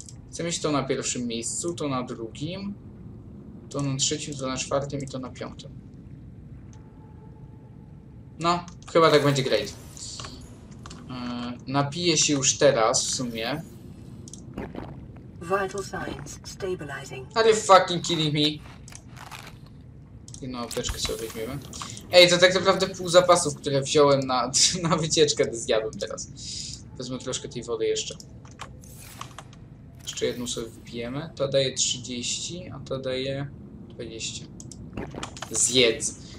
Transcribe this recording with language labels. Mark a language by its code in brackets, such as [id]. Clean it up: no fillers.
[pl] Chcę mieć to na pierwszym miejscu, to na drugim, to na trzecim, to na czwartym i to na piątym. No, chyba tak będzie great. Napiję się już teraz w sumie. [en] Vital signs stabilizing. Are you fucking kidding me? [pl] Jedną apteczkę sobie weźmiemy. Ej, to tak naprawdę pół zapasów, które wziąłem na wycieczkę, to zjadłem teraz. Wezmę troszkę tej wody jeszcze. Jeszcze jedną sobie wypijemy. To daje 30, a to daje 20. Zjedz.